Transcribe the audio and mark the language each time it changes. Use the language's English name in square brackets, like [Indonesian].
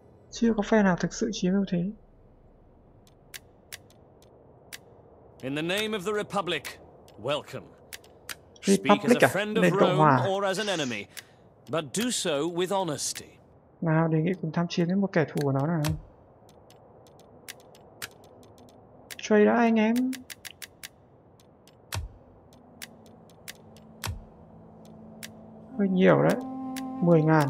[Vietnamese] Chưa có phe nào thực sự chiếm ưu thế. [English] In the name of the Republic, welcome. Republic speak as a friend of Rome or as an enemy, but do so with honesty. [Vietnamese] Nào, đề nghị cùng tham chiến với một kẻ thù của nó nào. Trời đã anh em. Hơi nhiều đấy. 10,000.